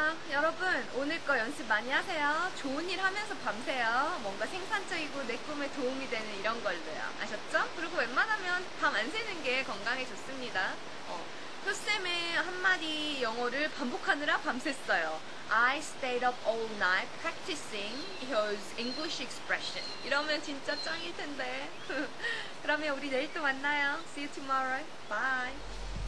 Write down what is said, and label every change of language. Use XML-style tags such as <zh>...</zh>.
<ko>여러분 오늘 거 연습 많이 하세요. 좋은 일 하면서 밤새요. 뭔가 생산적이고 내 꿈에 도움이 되는 이런 걸로요. 아셨죠? 그리고 웬만하면 밤 안 새는 게 건강에 좋습니다. 효쌤의 한마디 영어를 반복하느라 밤샜어요.</ko> <en>I stayed up all night practicing his English expression.</en> <ko>이러면 진짜 짱일 텐데. 그러면 우리 내일 또 만나요.</ko> <en>See you tomorrow. Bye.</en>